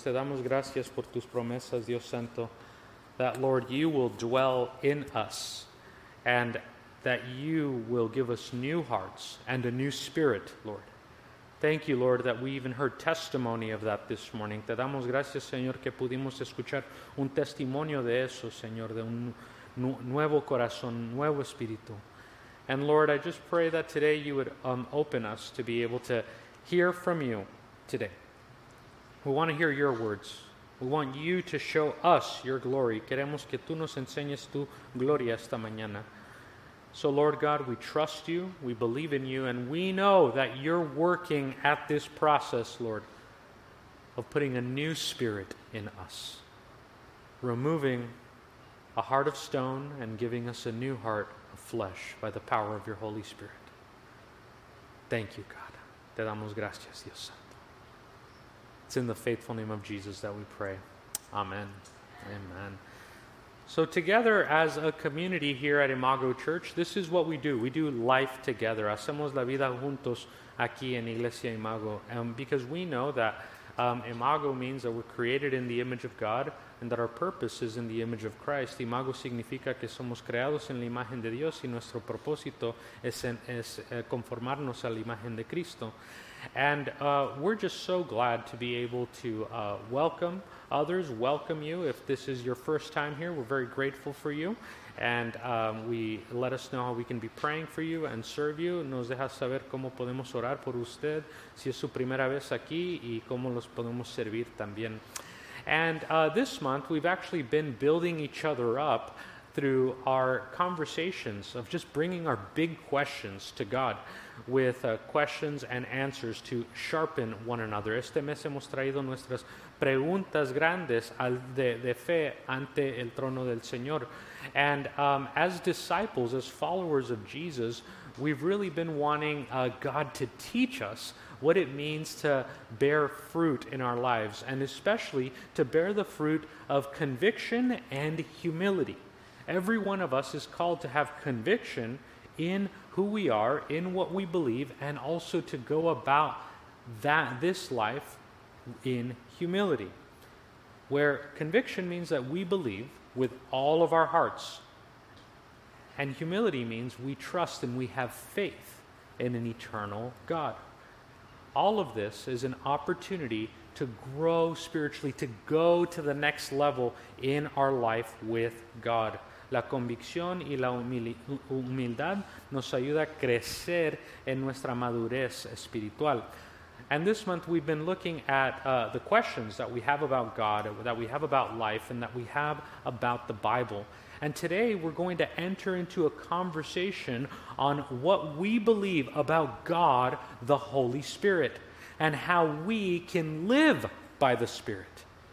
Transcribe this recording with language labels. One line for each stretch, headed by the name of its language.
Spanish: Te damos gracias por tus promesas, Dios Santo.
English: That, Lord, you will dwell in us and that you will give us new hearts and a new spirit, Lord. Thank you, Lord, that we even heard testimony of that this morning. Te damos gracias, Señor, que pudimos escuchar un testimonio de eso, Señor, de un nuevo corazón, nuevo espíritu. And Lord, I just pray that today you would open us to be able to hear from you today. We want to hear your words. We want you to show us your glory.
Spanish: Queremos que tú nos enseñes tu gloria esta mañana.
English: So Lord God, we trust you, we believe in you, and we know that you're working at this process, Lord, of putting a new spirit in us, removing a heart of stone and giving us a new heart of flesh by the power of your Holy Spirit. Thank you, God.
Spanish: Te damos gracias, Dios Santo.
English: It's in the faithful name of Jesus that we pray. Amen. Amen. So together as a community here at Imago Church, this is what we do. We do life together.
Spanish: Hacemos la vida juntos aquí en Iglesia Imago.
English: Because we know that Imago means that we're created in the image of God and that our purpose is in the image of Christ.
Spanish: Imago significa que somos creados en la imagen de Dios y nuestro propósito es conformarnos a la imagen de Cristo.
English: And we're just so glad to be able to welcome others, welcome you. If this is your first time here, we're very grateful for you. And let us know how we can be praying for you and serve you.
Spanish: Nos deja saber cómo podemos orar por usted, si es su primera vez aquí, y cómo los podemos servir también.
English: And this month, we've actually been building each other up through our conversations of just bringing our big questions to God with questions and answers to sharpen one another.
Spanish: Este mes hemos traído nuestras preguntas grandes de fe ante el trono del Señor.
English: And as disciples, as followers of Jesus, we've really been wanting God to teach us what it means to bear fruit in our lives, and especially to bear the fruit of conviction and humility. Every one of us is called to have conviction in who we are, in what we believe, and also to go about that this life in humility, where conviction means that we believe with all of our hearts, and humility means we trust and we have faith in an eternal God. all of this is an opportunity to grow spiritually, to go to the next level in our life with God.
Spanish: La convicción y la humildad nos ayuda a crecer en nuestra madurez espiritual.
English: And this month we've been looking at the questions that we have about God, that we have about life, and that we have about the Bible. And today we're going to enter into a conversation on what we believe about God, the Holy Spirit, and how we can live by the Spirit.